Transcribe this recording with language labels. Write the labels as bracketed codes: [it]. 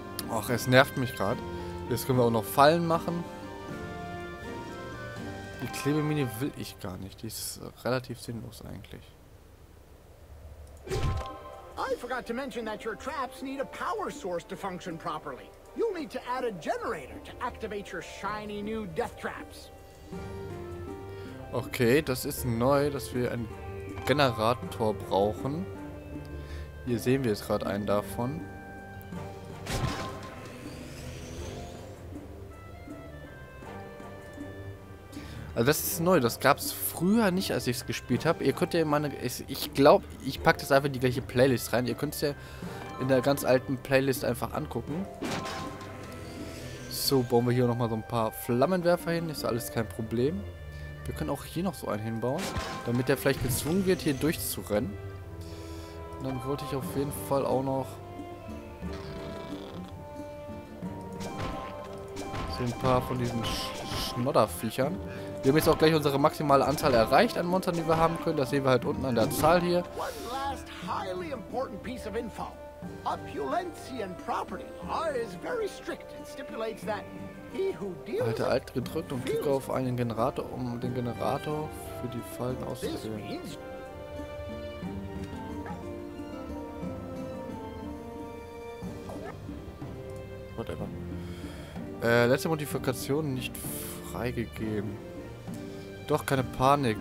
[de] Ach, es nervt mich gerade. Jetzt können wir auch noch Fallen machen. Die Klebemine will ich gar nicht. Die ist relativ sinnlos eigentlich. [en] I forgot to mention that your traps need a power source to function properly. You'll need to add a generator to activate your shiny new death traps. [de] Okay, das ist neu, dass wir einen Generator brauchen. Hier sehen wir jetzt gerade einen davon. Also das ist neu, das gab es früher nicht, als ich es gespielt habe. Ihr könnt ja in meine... Ich glaube, ich packe das einfach in die gleiche Playlist rein. Ihr könnt es ja in der ganz alten Playlist einfach angucken. So, bauen wir hier nochmal so ein paar Flammenwerfer hin. Ist ja alles kein Problem. Wir können auch hier noch so einen hinbauen, damit er vielleicht gezwungen wird, hier durchzurennen. Dann wollte ich auf jeden Fall auch noch so ein paar von diesen Schnodderviechern. Wir haben jetzt auch gleich unsere maximale Anzahl erreicht an Monstern, die wir haben können. Das sehen wir halt unten an der Zahl hier. [en] One last highly important piece of info. Opulentian property law is very strict and stipulates that he who deals. [de] Halte Alt gedrückt und klicke auf einen Generator, um den Generator für die Fallen auszuwählen. [en] Whatever. [de] Letzte Modifikation nicht freigegeben. Doch, keine Panik.